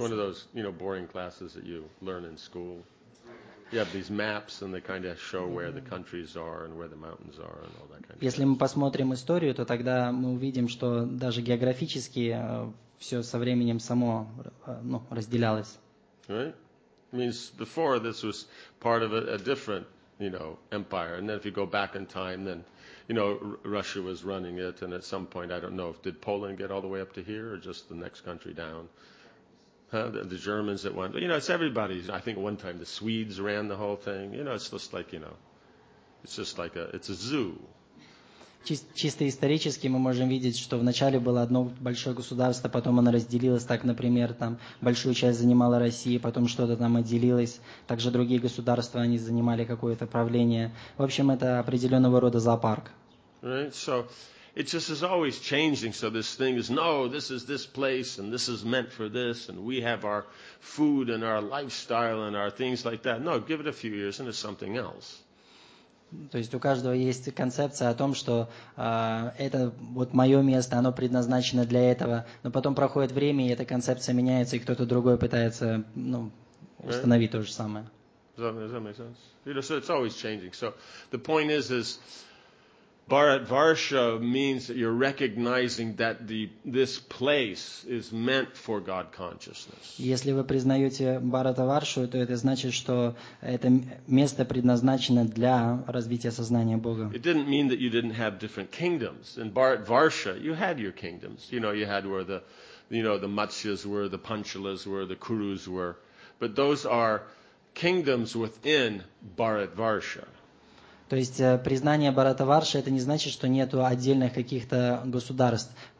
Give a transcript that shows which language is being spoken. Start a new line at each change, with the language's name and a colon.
English: One of those, you know, boring classes that you learn in school. You have these maps, and they kind of show where the countries are and where the mountains are and all that kind of stuff.
Russian: Если мы посмотрим историю, то тогда мы увидим, что даже географически все со временем само, ну, разделялось.
English: Right? Means before this was part of a different, you know, empire. And then if you go back in time, then, you know, Russia was running it. And at some point, I don't know, did Poland get all the way up to here or just the next country down? The Germans that went, you know, it's everybody's. I think one time the Swedes ran the whole thing. You know, it's just like, you know, it's just like it's a zoo.
Russian: Чисто исторически мы можем видеть, что вначале было одно большое государство, потом оно разделилось, так, например, там большую часть занимала Россия, потом что-то там отделилось, также другие государства, они занимали какое-то правление. В общем, это определенного рода зоопарк.
English: Right, so it just is always changing, so this thing is, no, this is this place, and this is meant for this, and we have our food and our lifestyle and our things like that. No, give it a few years and it's something else.
Russian: То есть у каждого есть концепция о том, что это вот мое место, оно предназначено для этого. Но потом проходит время, и эта концепция меняется, и кто-то другой пытается, ну, установить
English: right.
Russian: то же самое.
English: Does that make sense? You know, so it's always changing. So the point is Bharatvarsha means that you're recognizing that this place is meant for God consciousness.
Russian: Если вы признаете Бхаратаваршу, то это значит, что это место предназначено для развития сознания Бога.
English: It didn't mean that you didn't have different kingdoms. In Bharatvarsha, you had your kingdoms. You know, you had where the Matsyas were, the Panchalas were, the Kurus were. But those are kingdoms within Bharatvarsha.
Russian: То есть признание Бхаратаварши, это не значит, что нету отдельных каких-то государств.